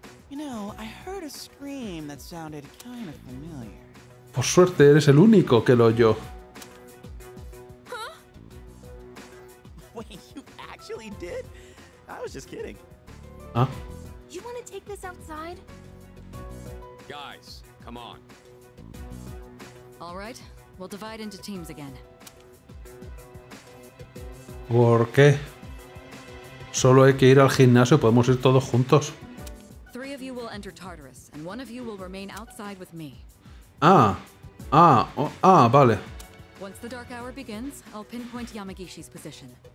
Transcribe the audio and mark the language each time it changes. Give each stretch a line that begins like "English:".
English: You know, I heard a scream that sounded kind of familiar.
Spanish: Por suerte eres el único que lo oyó.
English: Huh? Wait, you actually did? I was just kidding. ¿Ah? You want to take this outside? Guys, come on. All right, we'll divide into teams again.
Spanish: ¿Por qué? Solo hay que ir al gimnasio, podemos ir todos juntos.
English: Three of you will enter Tartarus and one of you will remain outside with me.
Spanish: Ah, vale.
English: Once the dark hour begins, I'll pinpoint Yamagishi's position.